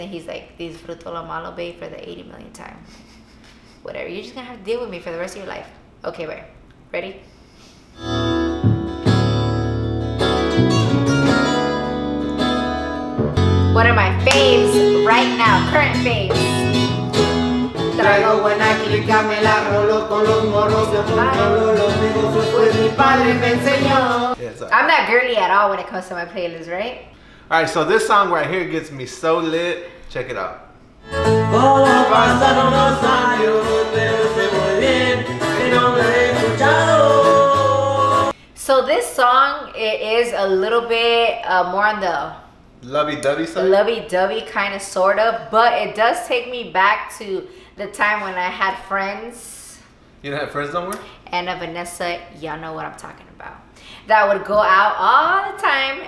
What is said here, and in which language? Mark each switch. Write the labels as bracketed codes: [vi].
[en] And he's like, disfruto lo malo, babe, for the 80 million time. Whatever, you're just gonna have to deal with me for the rest of your life. Okay, wait, ready? One of my faves right now, current faves. [es] Traigo buena clica, me la rolo con los morros de fútbol, los negocios pues mi padre me enseñó. [en] I'm not girly at all when it comes to my playlist, right? Alright, so this song right here gets me so lit. Check it out. [es] Como pasaron los años, pero se muy bien, mi nombre he escuchado. [en] So this song, it is a little bit more on the lovey-dovey side? Lovey-dovey, kind of, sort of. But it does take me back to the time when I had friends. You don't have friends no more? Anna, Vanessa, y'all know what I'm talking about. That would go out all the time.